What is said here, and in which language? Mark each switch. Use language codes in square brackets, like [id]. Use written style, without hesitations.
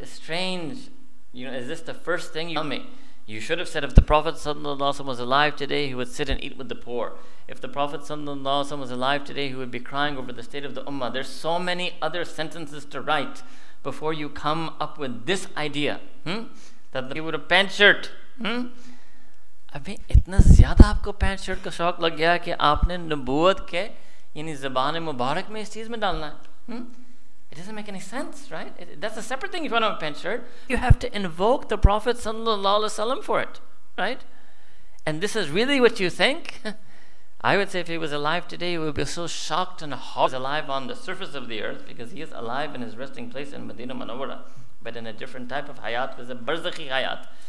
[en] A strange, you know, is this the first thing you tell me? You should have said if the Prophet was alive today, he would sit and eat with the poor. If the Prophet was alive today, he would be crying over the state of the Ummah. There's so many other sentences to write before you come up with this idea. That he would have pant shirt. [ur] ابھی اتنا زیادہ آپکو pant shirt کا شوق لگ گیا کہ آپنے نبوت کے یعنی زبان ِ مبارک میں اس چیز میں ڈالنا ہے۔ [en] It doesn't make any sense, right? That's a separate thing if you want to have a pant shirt. You have to invoke the Prophet sallallahu alaihi wasallam for it, right? And this is really what you think? I would say if he was alive today, he would be so shocked and hot. He's alive on the surface of the earth because he is alive in his resting place in Medina Manawara, but in a different type of hayat, with a barzakhi hayat.